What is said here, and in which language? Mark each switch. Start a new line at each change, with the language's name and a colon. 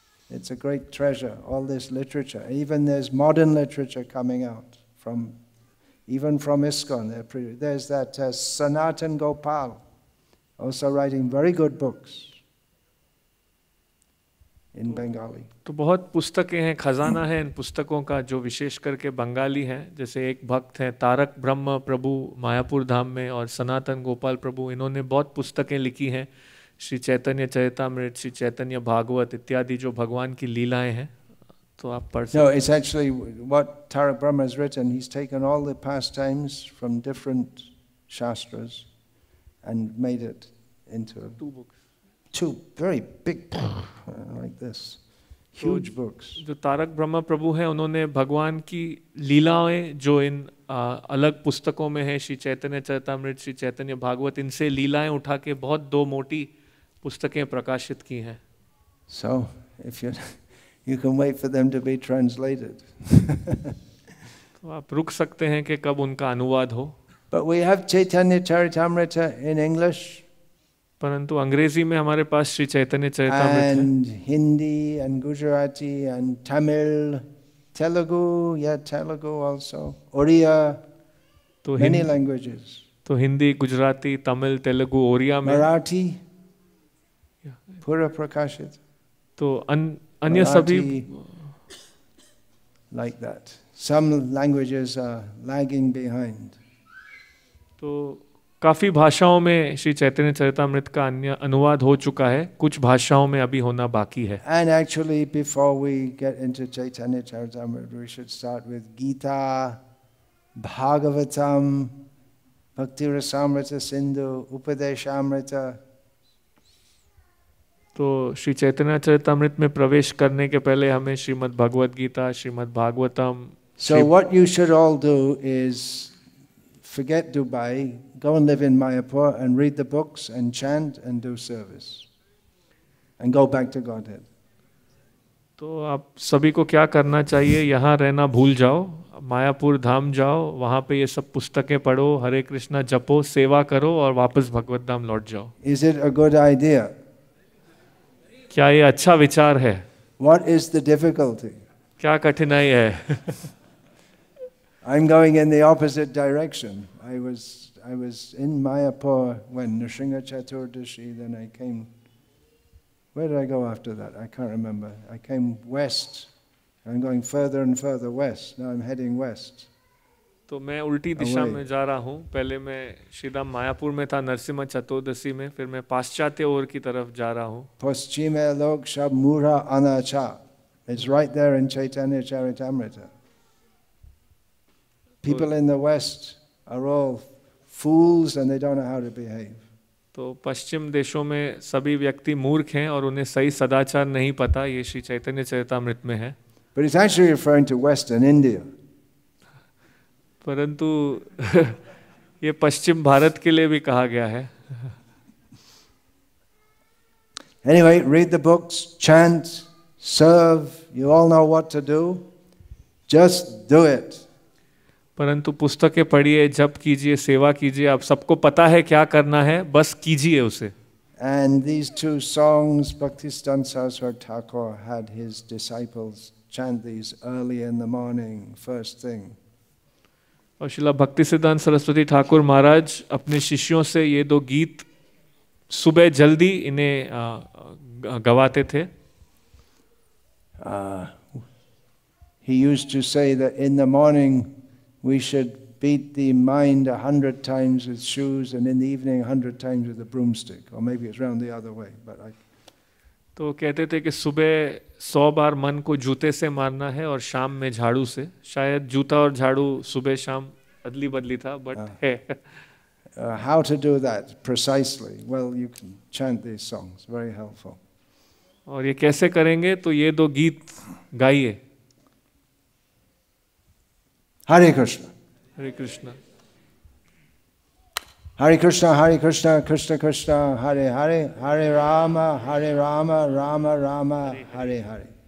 English: It's a great treasure, all this literature. Even there's modern literature coming out from, even from ISKCON. There's that Sanatan Gopal, also writing very good books in Bengali.
Hindi: तो बहुत पुस्तकें हैं, खजाना है इन पुस्तकों का, जो विशेष करके बंगाली हैं. जैसे एक भक्त हैं तारक ब्रह्म प्रभु मायापुर धाम में, और सनातन गोपाल प्रभु, इन्होंने बहुत पुस्तकें लिखी हैं, श्री चैतन्य चरितामृत, श्री चैतन्य भागवत इत्यादि, जो भगवान की लीलाएं हैं, तो आप पढ़ सकते हैं.
English: No, it's actually what Tarak Brahma has written. He's taken all the pastimes from different shastras and made it into two books. Two very big like this. Huge books.
Hindi: जो तारक ब्रह्म प्रभु हैं, उन्होंने भगवान की लीलाएं जो इन अलग पुस्तकों में हैं, श्री चैतन्य चरितामृत, श्री चैतन्य भागवत, इनसे लीलाएं उठा के बहुत दो मोटी पुस्तकें प्रकाशित की हैं.
English: So, if you can wait for them to be translated.
Hindi: तो आप रुक सकते हैं कि कब उनका अनुवाद हो.
English: But we have Chaitanya Charitamrita in English.
Hindi: परंतु अंग्रेजी में हमारे पास श्री चैतन्य चरितामृत है.
English: And Hindi and Gujarati and Tamil, Telugu, yeah, Telugu also, Oriya, many languages.
Hindi: तो हिंदी, गुजराती, तमिल, तेलुगु, ओरिया में. Marathi, पूरा प्रकाशित. तो अन्य सभी.
English: Like that. Some languages are lagging behind.
Hindi: तो काफी भाषाओं में श्री चैतन्य चरितामृत का अन्य अनुवाद हो चुका है, कुछ भाषाओं में अभी होना बाकी है.
English: And actually, before we get into Chaitanya Charitamrita, we should start with Gita, Bhagavatam, Bhakti Rasamrita Sindhu, Upadeshamrita.
Hindi: तो श्री चैतन्य चरितामृत में प्रवेश करने के पहले हमें Shrimad Bhagavad Gita, Shrimad Bhagavatam.
English: So what you should all do is forget Dubai. Go and live in Mayapur and read the books and chant and do service. And go back to Godhead.
Hindi: तो आप सभी को क्या करना चाहिए? यहाँ रहना भूल जाओ, मायापुर धाम जाओ, वहाँ पे ये सब पुस्तकें पढ़ो, हरे कृष्णा जपो, सेवा करो और वापस भगवत धाम लौट जाओ.
English: Is it a good idea?
Hindi: क्या ये अच्छा विचार है?
English: What is the difficulty?
Hindi: क्या कठिनाई है?
English: I'm going in the opposite direction. I was I was in Mayapur when Nrisimha Chaturdashi, then I came, where did I go after that? I can't remember. I came west. I'm going further and further west. Now I'm heading west.
Hindi: तो मैं उल्टी दिशा में जा रहा हूँ पहले मैं सीधा मायापुर में था नरसिंह चतुर्दशी में फिर मैं पाश्चात्य ओर की तरफ जा रहा हूँ
Bangla: पश्चिम लोक शब मूढ़ा अनाचा
English: it's right there in Chaitanya Charitamrita people in the west are all fools and they don't know how to behave
Hindi: तो पश्चिम देशों में सभी व्यक्ति मूर्ख हैं और उन्हें सही सदाचार नहीं पता ये श्री चैतन्य चरितामृत में है
English: but it's actually referring to western India
Hindi: परंतु ये पश्चिम भारत के लिए भी कहा गया है
English: Anyway, read the books, chant, serve, you all know what to do. Just do it.
Hindi: परंतु पुस्तकें पढ़िए जप कीजिए सेवा कीजिए आप सबको पता है क्या करना है बस कीजिए उसे
English: And these two songs, Bhaktisiddhanta Saraswati Thakur had his disciples chant these early in the morning, first thing.
Hindi: और शिला भक्ति सिद्धांत सरस्वती ठाकुर महाराज अपने शिष्यों से ये दो गीत सुबह जल्दी इन्हें गवाते थे
English: He used to say that in the morning we should beat the mind 100 times with shoes and in the evening 100 times with a broomstick or maybe it's round the other way but I
Hindi: तो कहते थे कि सुबह 100 बार मन को जूते से मारना है और शाम में झाड़ू से शायद जूता और झाड़ू सुबह शाम अदली बदली था बट है
English: how to do that precisely well you can chant this songs very helpful
Hindi: और ये कैसे करेंगे तो ये दो गीत गाइए
Sanskrit: हरे Krishna Hare Krishna, Hare Krishna, Krishna Krishna, Hare Hare, Hare Rama, Hare Rama, Rama Rama, Hare Hare.